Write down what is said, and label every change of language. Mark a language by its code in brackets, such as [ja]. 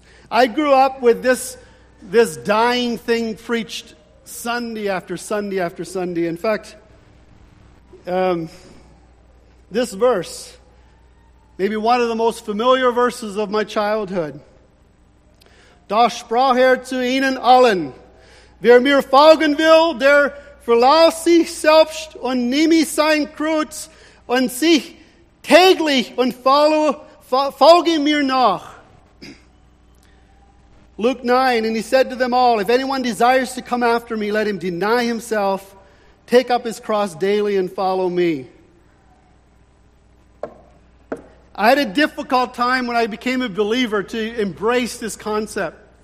[en] I grew up with this dying thing preached Sunday after Sunday after Sunday. In fact, this verse, maybe one of the most familiar verses of my childhood. [de] Da sprach zu ihnen allen, wer mir folgen will, der verlasse sich selbst und nehme sein Kreuz und sich täglich und folge mir nach. [en] Luke 9, and he said to them all, if anyone desires to come after me, let him deny himself, take up his cross daily and follow me. I had a difficult time when I became a believer to embrace this concept.